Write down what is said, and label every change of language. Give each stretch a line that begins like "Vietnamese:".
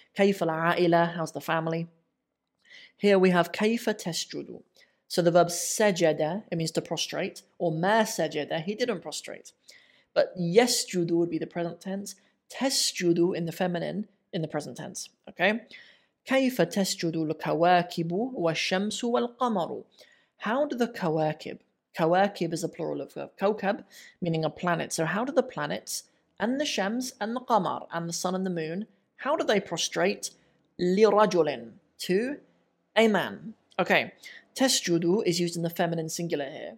English: Kayfa al-a'ila, how's the family? Here we have kayfa tasjudu. So the verb sajada, it means to prostrate. Or ma sajada, he didn't prostrate. But yesjudu would be the present tense. Tesjudu in the feminine, in the present tense. Okay?
Arabic: كَيْفَ تَسْجُدُ الْكَوَاكِبُ وَالشَّمْسُ وَالْقَمَرُ
English: How do the kawakib? Kawakib is a plural of kawkab, meaning a planet. So how do the planets, and the shams, and the qamar, and the sun and the moon, how do they prostrate?
Arabic: لِرَجُلٍ
English: To a man. Okay, tesjudu is used in the feminine singular here.